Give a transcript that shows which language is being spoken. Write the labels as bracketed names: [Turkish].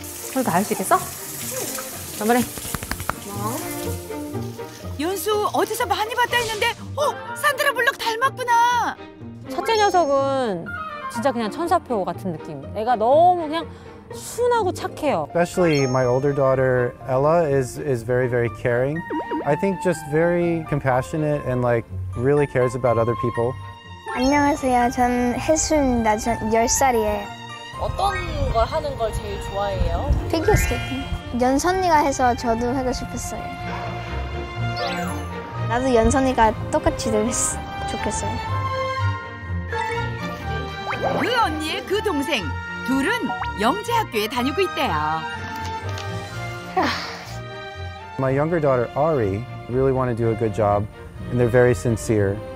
[Korean] 그럼 다 할 수 있겠어? 잠깐만해. 연수 어디서 많이 봤다 했는데 어? 산드라 블록 닮았구나! 첫째 녀석은 진짜 그냥 천사표 같은 느낌. 애가 너무 그냥 순하고 착해요. [English] Especially my older daughter Ella is very very caring. I think just very compassionate and like really cares about other people. [Korean] 안녕하세요. 전 혜수입니다. 전 10살이에요. 어떤 걸 하는 걸 제일 좋아해요? 피겨 스케이팅. 연선이가 해서 저도 하고 싶었어요. 나도 연선이가 똑같이 되면 좋겠어요. 그 언니의 그 동생 둘은 영재 학교에 다니고 있대요. [English] My younger daughter Ari really want to do a good job and they're very sincere.